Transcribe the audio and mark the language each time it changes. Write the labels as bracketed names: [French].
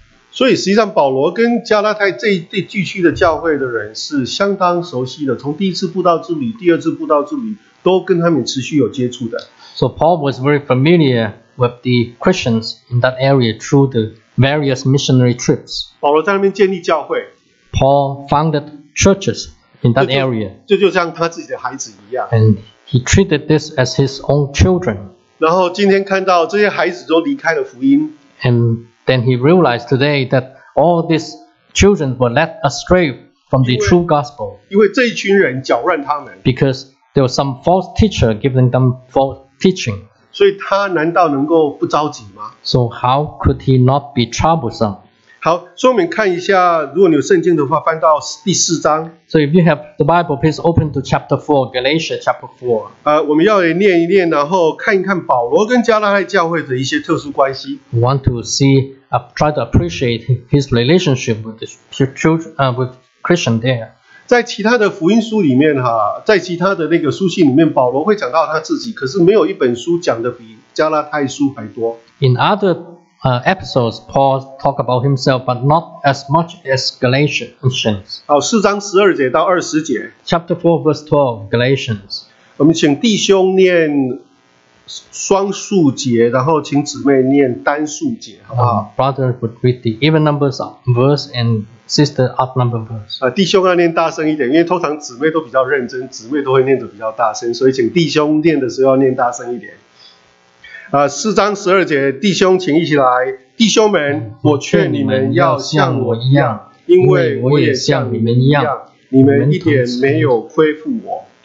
[Chinese] 所以实际上保罗跟加拉太这聚区的教会的人是相当熟悉的，从第一次布道之旅、第二次布道之旅都跟他们持续有接触的。 [English] So Paul was very familiar with the Christians in that area through the various missionary trips. [Chinese] 保罗在那边建立教会。 [English] Paul founded churches in that area. [Chinese] 就像他自己的孩子一样。 [English] And he treated this as his own children. [Chinese] 然后今天看到这些孩子都离开了福音。 [English] AndThen he realized today that all these children were led astray from the true gospel. [Chinese] 因为这一群人搅乱他们。 [English] Because there was some false teacher giving them false teaching. [Chinese] 所以他难道能够不着急吗？ [English] So how could he not be troublesome? [Chinese] 好，所以我们看一下，如果你有圣经的话，翻到第四章。 [English] So if you have the Bible, please open to chapter 4, Galatians chapter 4. [Chinese] 我们要来念一念，然后看一看保罗跟加拉太教会的一些特殊关系。 [English] We want to see, try to appreciate his relationship with the children, with Christian there. [Chinese] 在其他的福音书里面，在其他的那个书信里面，保罗会讲到他自己，可是没有一本书讲的比加拉太书还多。 [English] In other episodes, Paul talk about himself, but not as much as Galatians. [Chinese] 好，四章十二节到二十节。 [English] Chapter 4, verse 12, Galatians. [Chinese] 我们请弟兄念双数节，然后请姊妹念单数节，好不好？ [English] Brother would read the even numbers of verse and sister odd number verse. [Chinese] 弟兄要念大声一点，因为通常姊妹都比较认真，姊妹都会念得比较大声，所以请弟兄念的时候要念大声一点。四章十二节，弟兄请一起来。弟兄们，我劝你们要像我一样，因为我也像你们一样，你们一点没有亏负我。